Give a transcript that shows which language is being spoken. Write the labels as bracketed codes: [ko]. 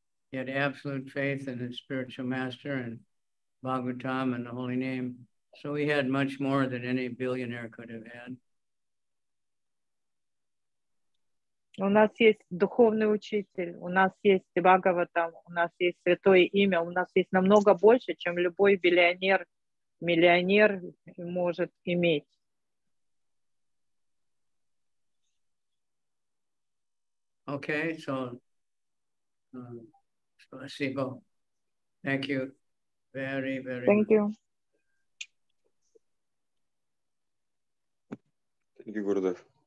[en] He had absolute faith in his spiritual master and Bhagavatam and the holy name. So he had much more than any billionaire could have had. [ru] У нас есть духовный учитель, у нас есть Бхагаватам, у нас есть святое имя, у нас есть намного больше, чем любой миллионер, миллионер может иметь. [en] Okay, so [ru] спасибо. [en] Thank you. Very, very thank much. You. Thank you, Gurudev.